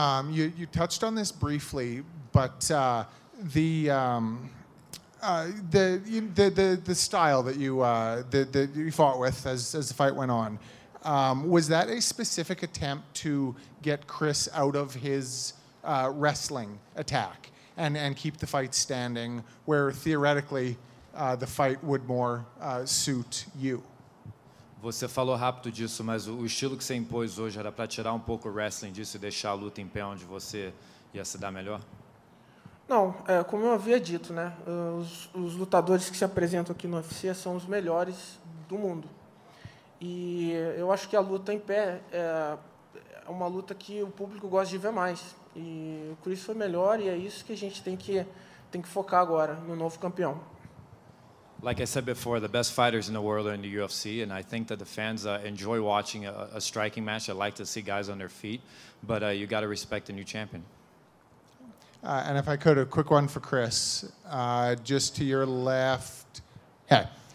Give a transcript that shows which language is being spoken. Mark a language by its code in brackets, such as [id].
[en] You touched on this briefly, but the style that you that you fought with as the fight went on, was that a specific attempt to get Chris out of his wrestling attack? And keep the fight standing, where theoretically the fight would more suit you. [pt] Você falou rápido disso, mas o estilo que você impôs hoje era para tirar um pouco o wrestling disso e deixar a luta em pé onde você ia se dar melhor? Não, é, como eu havia dito, né? Os lutadores que se apresentam aqui no UFC são os melhores do mundo. E eu acho que a luta em pé é uma luta que o público gosta de ver mais. E o Chris foi melhor, e é isso que a gente tem que focar agora no novo campeão. [en] Like I said before, the best fighters in the world are in the UFC, and I think that the fans enjoy watching a striking match. I like to see guys on their feet, but you got to respect the new champion. And if I could, a quick one for Chris, just to your left. Yeah.